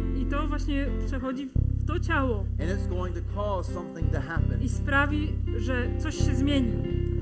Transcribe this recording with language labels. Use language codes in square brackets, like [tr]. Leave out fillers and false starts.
[pl] I to właśnie przechodzi w to ciało. [en] And it's going to cause something to happen. [pl] I sprawi, że coś się zmieni.